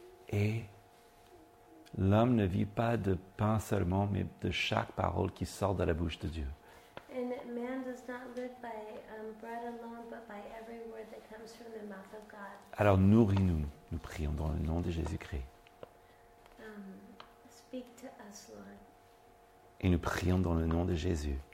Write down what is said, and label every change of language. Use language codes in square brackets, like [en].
[fr] Et l'homme ne vit pas de pain seulement, mais de chaque parole qui sort de la bouche de Dieu. [en] And man does not live by bread alone, but by every word that comes from the mouth of God. [fr] Alors nourris-nous, nous prions dans le nom de Jésus-Christ. [en] Speak to us, Lord. [fr] Et nous prions dans le nom de Jésus.